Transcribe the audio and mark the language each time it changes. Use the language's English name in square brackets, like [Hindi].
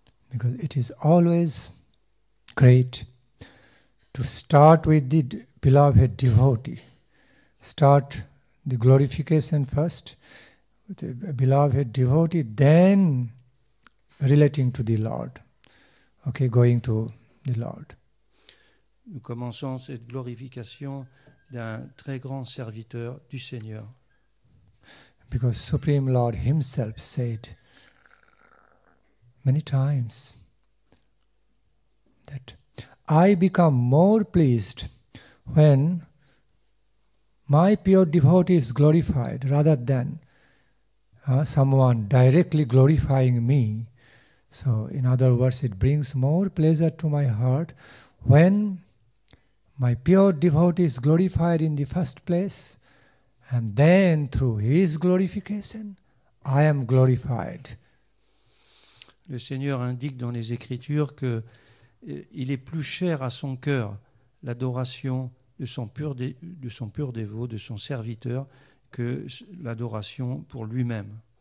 [English] Because it is always great to start with the beloved devotee. Start the glorification first with a beloved devotee, then relating to the Lord. Okay, going to the Lord. [French] Nous commençons cette glorification d'un très grand serviteur du Seigneur. [English] Because Supreme Lord Himself said many times that I become more pleased when my pure devotee is glorified rather than someone directly glorifying me. So in other words, it brings more pleasure to my heart when my pure devotee is glorified in the first place and then through his glorification, I am glorified. [French] Le Seigneur indique dans les Écritures que il est plus cher à son cœur l'adoration de son pur dévot, de son serviteur, que l'adoration pour lui-même.